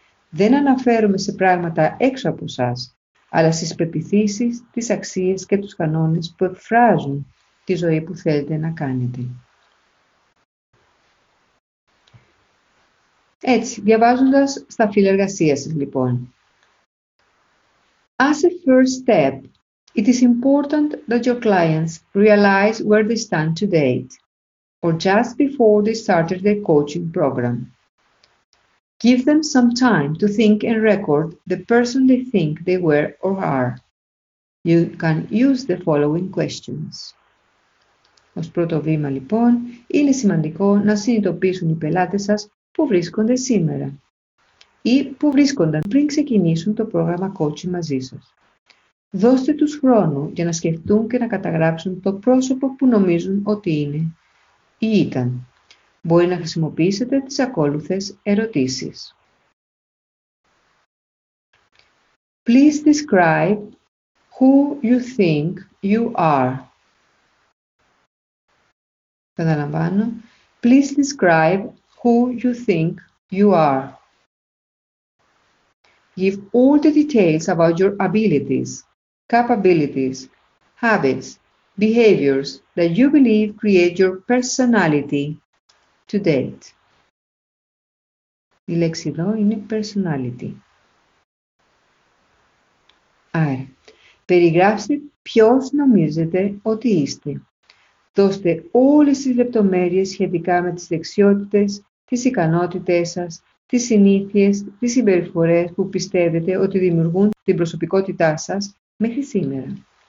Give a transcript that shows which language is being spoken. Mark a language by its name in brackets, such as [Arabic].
[Greek] Δεν αναφέρομαι σε πράγματα έξω από εσάς, αλλά στις πεποιθήσεις, τις αξίες και τους κανόνες που εκφράζουν τη ζωή που θέλετε να κάνετε. Έτσι, διαβάζοντας στα φύλλα εργασίας σας, λοιπόν. [English] As a first step, it is important that your clients realize where they stand to date, or just before they started their coaching program. Give them some time to think and record the person they think they were or are. You can use the following questions. [Greek] Ως πρώτο βήμα, λοιπόν, είναι σημαντικό να συνειδητοποιήσουν οι πελάτες σας που βρίσκονται σήμερα ή που βρίσκονταν πριν ξεκινήσουν το πρόγραμμα coaching μαζί σας. Δώστε τους χρόνο για να σκεφτούν και να καταγράψουν το πρόσωπο που νομίζουν ότι είναι ή ήταν. Μπορεί να χρησιμοποιήσετε τις ακόλουθες ερωτήσεις. [English] Please describe who you think you are. [Greek] Καταλαμβάνω. [English] Please describe who you think you are. Give all the details about your abilities, capabilities, habits, behaviors that you believe create your personality. To date. [Greek] Η λέξη εδώ είναι personality. Άρα, περιγράψτε ποιος νομίζετε ότι είστε. Δώστε όλες τις λεπτομέρειες σχετικά με τις δεξιότητες, τις ικανότητές σας, τις συνήθειες, τις συμπεριφορές που πιστεύετε ότι δημιουργούν την προσωπικότητά σας μέχρι σήμερα.